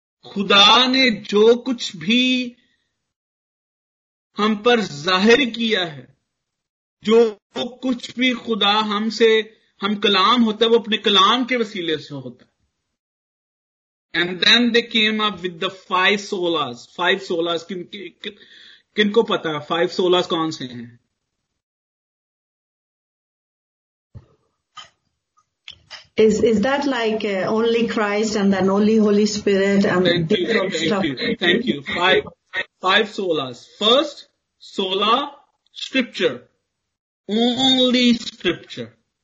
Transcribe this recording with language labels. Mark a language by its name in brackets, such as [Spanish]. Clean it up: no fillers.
[Urdu] خدا نے جو کچھ بھی ہم پر ظاہر کیا ہے, جو کچھ بھی خدا ہم سے, ہم کلام ہوتا ہے, وہ اپنے کلام کے وسیلے سے ہوتا ہے. [English] And then they came up with the five solas. Five solas [Urdu] کن کو پتا فائیو سولاس کون سے ہیں؟ [English] Is that like only Christ and then only Holy Spirit and thank you. Five solas. First, sola scripture. Only scripture.